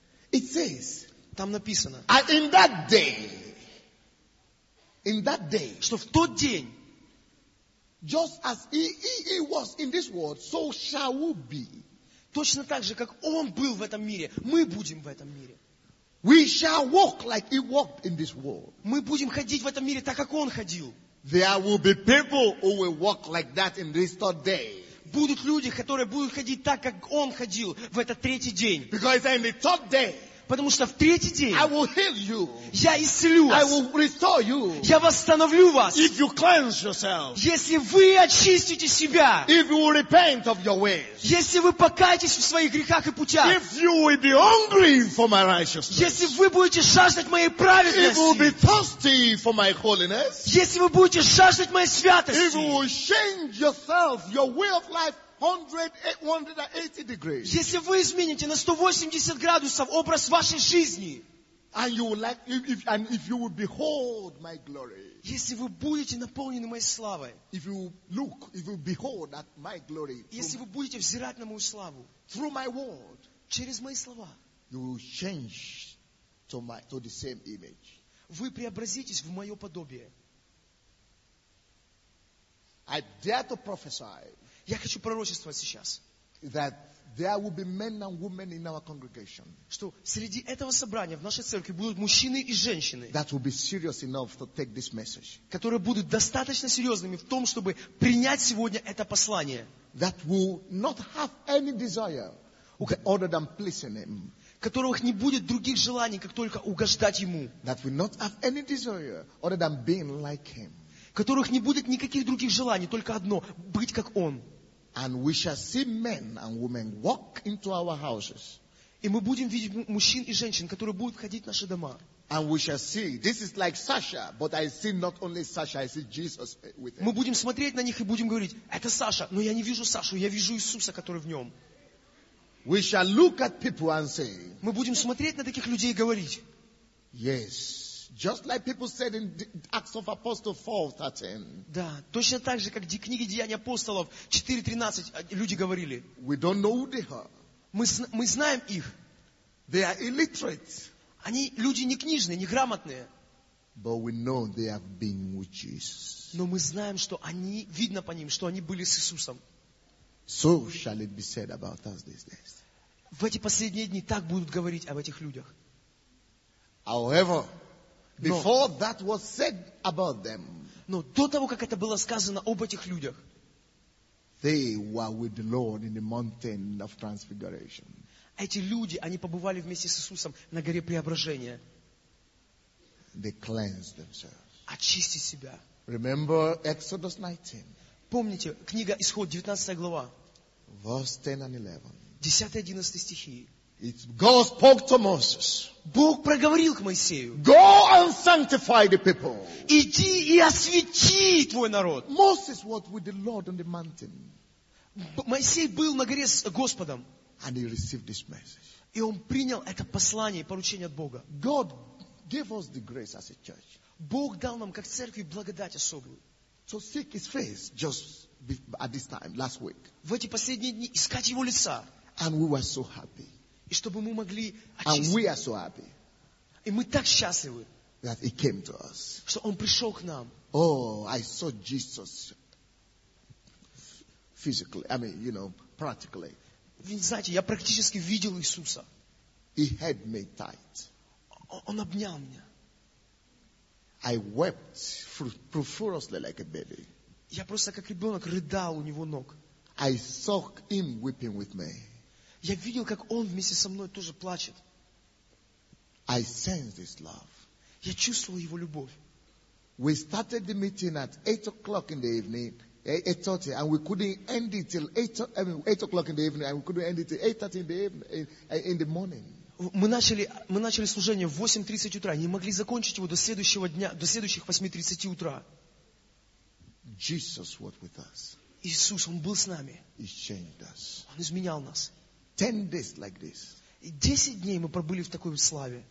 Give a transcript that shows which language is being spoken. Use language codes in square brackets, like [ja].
[en] It says, [ru] там написано, [en] and in that day, [ru] что в тот день, [en] just as he was in this world, so shall we be. [ru] Точно так же, как он был в этом мире, мы будем в этом мире. [en] We shall walk like he walked in this world. [ru] Мы будем ходить в этом мире так, как он ходил. [en] There will be people who will walk like that in this third day. [ru] Будут люди, которые будут ходить так, как он ходил в этот третий день. [en] Because in the third day, [ru] потому что в третий день [en] I will heal you. [ru] Я исцелю вас. [en] I will restore you. [ru] Я восстановлю вас. [en] If you cleanse yourself. [ru] Если вы очистите себя. [en] If you will repent of your ways. [ru] Если вы покаетесь в своих грехах и путях. [en] If you will be hungry for my righteousness. [ru] Если вы будете жаждать моей праведности. [en] If you will be thirsty for my holiness. [ru] Если вы будете жаждать моей святости. [en] If you will change yourself, your way of life. 180 degrees. [ru] Если вы измените на 180 градусов образ вашей жизни, [en] and you will like, if you will behold my glory, [ru] если вы будете наполнены моей славой, [en] if you look, if you behold at my glory, [ru] если вы будете взирать на мою славу, [en] through my word, [ru] через мои слова, [en] you will change to the same image. [ru] Вы преобразитесь в мое подобие. [en] I dare to prophesy. [ru] Я хочу пророчествовать сейчас, [en] that there will be men and women in our congregation, [ru] что среди этого собрания в нашей церкви будут мужчины и женщины, [en] that will be serious enough to take this message, [ru] которые будут достаточно серьезными в том, чтобы принять сегодня это послание, [en] that will not have any desire other than pleasing him, [ru] которых не будет других желаний, как только угождать ему, [en] that will not have any desire other than being like him, [ru] которых не будет никаких других желаний, только одно – быть как Он. [en] And we shall see men and women walk into our houses. [ru] И мы будем видеть мужчин и женщин, которые будут входить в наши дома. [en] And we shall see. This is like Sasha, but I see not only Sasha, I see Jesus with him. [ru] Мы будем смотреть на них и будем говорить: это Саша, но я не вижу Сашу, я вижу Иисуса, который в нем. [en] We shall look at people and say. [ru] Мы будем смотреть на таких людей и говорить: [en] yes. Just like people said in Acts of Apostles 4:13. [ru] Да, точно так же, как в книге Деяний апостолов 4:13 люди говорили. [en] We don't know who they are. [ru] Мы знаем их. [en] They are illiterate. [ru] Они люди не книжные, не грамотные. [en] But we know they have been with Jesus. [ru] Но мы знаем, что они, видно по ним, что они были с Иисусом. [en] So shall it be said about us these days. [ru] В эти последние дни так будут говорить об этих людях. [en] However, before that was said about them, [ru] но до того, как это было сказано об этих людях, [en] they were with the Lord in the mountain of transfiguration. [ru] Эти люди, они побывали вместе с Иисусом на горе Преображения. [en] They cleansed themselves. [ru] Очистили себя. [en] Remember Exodus 19. [ru] Помните, книга Исход, 19 глава. [en] Verse 10 and 11. [ru] 10-11 стихи. [en] God spoke to Moses. [ru] Бог проговорил к Моисею. [en] Go and sanctify the people. [ru] Иди и освяти твой народ. [en] Moses was with the Lord on the mountain. [ru] Моисей был на горе с Господом. [en] And he received this message. [ru] И он принял это послание и поручение от Бога. [en] God gave us the grace as a church. [ru] Бог дал нам как церкви благодать особую. [en] So seek his face just at this time last week. [ru] В эти последние дни искать его лица. [en] And we were so happy. [ru] И чтобы мы могли очиститься. [en] And we are so happy. [ru] И мы так счастливы. [en] That he came to us. [ru] Что он пришел к нам. [en] Oh, I saw Jesus physically. I mean, you know, practically. [ru] Вы не знаете, я практически видел Иисуса. [en] He held me tight. [ru] Он обнял меня. [en] I wept profusely like a baby. [ru] Я просто как ребенок рыдал у него ног. [en] I saw him weeping with me. [ru] Я видел, как он вместе со мной тоже плачет. [en] I sense this love. [ru] Я чувствовал его любовь. [en] We started the meeting at 8 o'clock in the evening. 8:30, and we couldn't end it till 8 o'clock in the evening, and we couldn't end it till 8:30 in the morning. [ru] Мы начали служение в 8:30 утра, не могли закончить его до следующего дня, до следующих 8:30 утра. [en] Jesus was with us. [ru] Иисус, он был с нами. [en] He changed us. [ru] Он изменял нас. [en] 10 days like this. [ru] 10 дней мы пробыли в такой славе.